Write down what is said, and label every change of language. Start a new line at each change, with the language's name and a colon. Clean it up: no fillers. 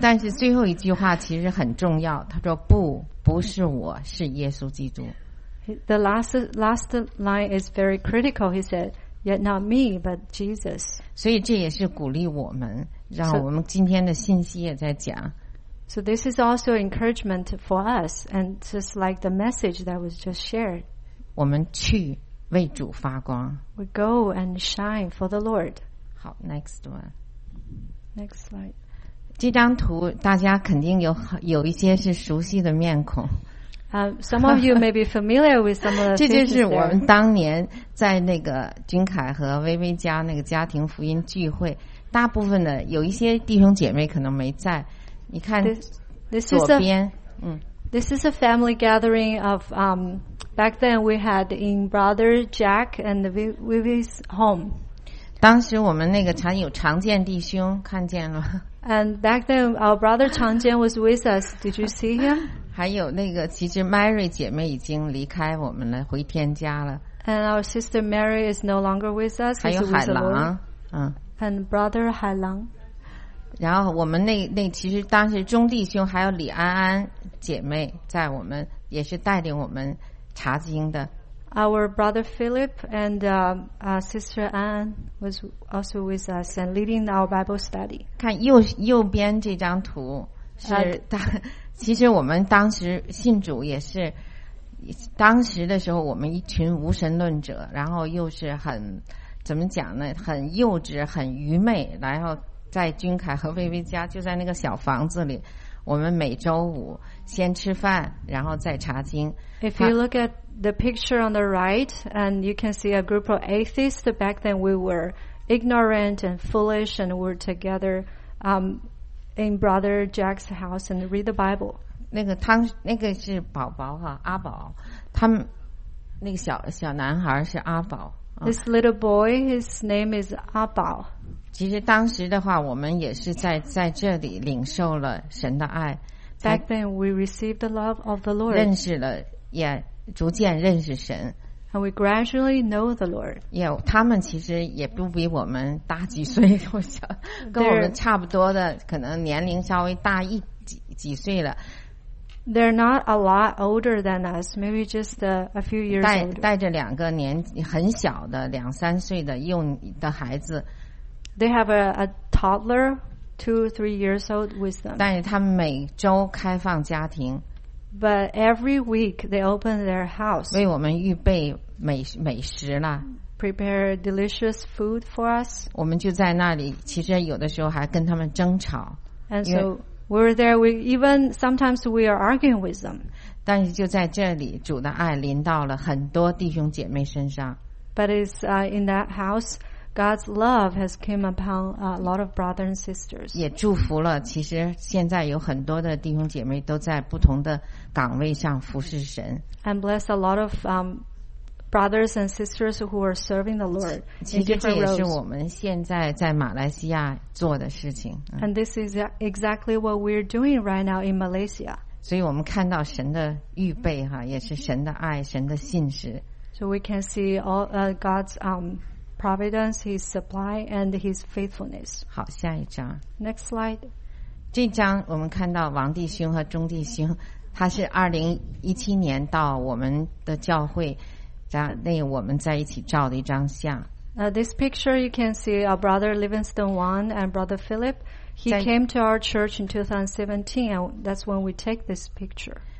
Chinese: 但是最后一句话其实很重要。他说：“不，不是我，是耶稣基督。”
English: The last line is very critical. He said, "Yet not me, but Jesus."
Chinese: 所以这也是鼓励我们，让我们今天的信息也在讲。
English: So this is also encouragement for us, and just like the message that was just shared.
Chinese: 我们去为主发光。
English: We go and shine for the Lord. 好 ，next one. Next slide.
Chinese: 这张图大家肯定有一些是熟悉的面孔。
English: Some of you may be familiar with some of the.
Chinese: 这就是我们当年在那个君凯和薇薇家那个家庭福音聚会，大部分的有一些弟兄姐妹可能没在。你看左边，
English: This is a family gathering of back then we had in Brother Jack and Vivi's home.
Chinese: 当时我们那个常有常健弟兄看见了。
English: And back then, our brother 常健 was with us. Did you see him?
Chinese: 还有那个，其实 Mary 姐妹已经离开我们了，回天家了。
English: And our sister Mary is no longer with us.
Chinese: 还有海郎，
English: And brother 海郎。
Chinese: 然后我们那其实当时中弟兄还有李安安姐妹在我们，也是带领我们查经的。
English: Our brother Philip and sister Anne was also with us and leading our Bible study.
Chinese: 看右边这张图，是其实我们当时信主也是当时的时候我们一群无神论者，然后又是很怎么讲呢，很幼稚很愚昧，然后在君凯和薇薇家就在那个小房子里，我们每周五先吃饭然后再查经。
English: If you look at the picture on the right and you can see a group of atheists back then, we were ignorant and foolish and we're together in Brother Jack's house and read the Bible.
Chinese: 那个汤那个是宝宝哈，阿宝，他们那个小小男孩是阿宝。
English: This little boy, his name is 阿宝。
Chinese: 其实当时的话，我们也是在这里领受了神的爱。
English: Back then, we received the love of the Lord.
Chinese: 认识了，也逐渐认识神。
English: And we gradually know the Lord.
Chinese: 也，他们其实也不比我们大几岁，我想跟我们差不多的，可能年龄稍微大一几岁了。
English: They're not a lot older than us, maybe just a few years old.
Chinese: 带着两个年很小的两三岁的幼的孩子。
English: They have a toddler, 2-3 years old with them.
Chinese: 但是他们每周开放家庭。
English: But every week they open their house.
Chinese: 为我们预备美食了。
English: Prepare delicious food for us.
Chinese: 我们就在那里，其实有的时候还跟他们争吵。
English: And so,We're there, sometimes we are arguing with them.
Chinese: 但是就在这里，主的爱临到了很多弟兄姐妹身上。
English: But it's in that house, God's love has come upon a lot of brothers and sisters.
Chinese: 也祝福了，其实现在有很多的弟兄姐妹都在不同的岗位上服侍神。
English: And bless a lot of brothers and sisters who are serving the Lord.
Chinese: 其实这也是我们现在在马来西亚做的事情。
English: And this is exactly what we're doing right now in Malaysia.
Chinese: 所以我们看到神的预备哈，也是神的爱，神的信实。
English: So we can see all God's providence, His supply, and His faithfulness.
Chinese: 好，下一张。
English: Next slide.
Chinese: 这张我们看到王弟兄和钟弟兄，他是2017年到我们的教会。那我们在一起照的一张相。
English: This picture you can see our brother Livingstone Wan and brother Philip. He came to our church in 2017, and that's when we take this picture.